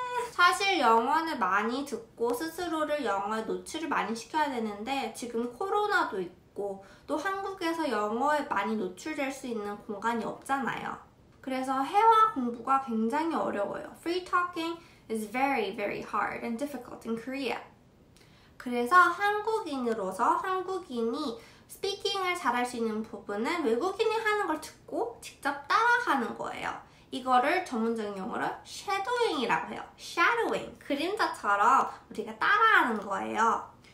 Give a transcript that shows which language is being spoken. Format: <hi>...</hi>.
<ko>사실 영어를 많이 듣고 스스로를 영어에 노출을 많이 시켜야 되는데 지금 코로나도 있고 또 한국에서 영어에 많이 노출될 수 있는 공간이 없잖아요. 그래서 회화 공부가 굉장히 어려워요.</ko> <en>Free talking is very, very hard and difficult in Korea.</en> <ko>그래서 한국인으로서 한국인이 speaking을 잘할 수 있는 부분은 외국인이 하는 걸 듣고 직접 따라하는 거예요. 이거를 전문적인 용어로 shadowing이라고 해요. shadowing, 그림자처럼 우리가 따라하는 거예요.</ko>